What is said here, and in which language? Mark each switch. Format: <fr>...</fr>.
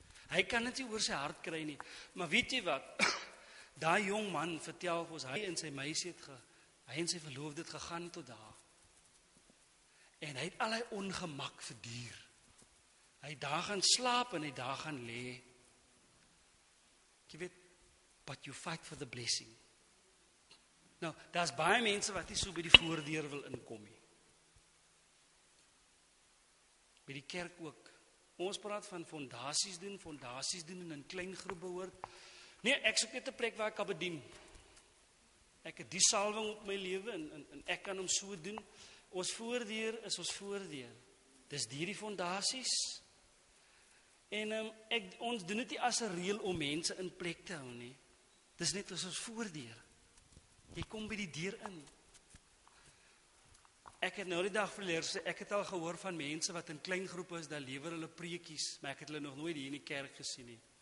<af>Hy kan dit nie oor sy hart kry nie, maar weet jy wat, daai jong man vertel ons, hy en sy meisie het hy en sy verloofde het gegaan tot daar. En hy het al hy ongemak verduur. Hy daar gaan slaap en hy daar gaan lê. Jy weet,</af> <en>but you fight for the blessing.</en> <af>Nou, daar's baie mense wat nie so by die voordeur wil inkom nie. By die kerk ook. Ons praat van fondasies doen en in klein groep behoort. Nee, ek soek net 'n plek waar ek kan bedien. Ek het die salwing op my lewe en ek kan hom so doen. Ons voordeur is ons voordeur. Dis hierdie fondasies. En ons doen dit nie as 'n reël om mense in plek te hou nie. Dis net as ons voordeur. Jy kom by die deur in. Ek het nou die dag verleer, so ek het al gehoor van mense wat in klein groepe is, daar lewer hulle preekies, maar ek het hulle nog nooit hier in die kerk gesien nie.</af>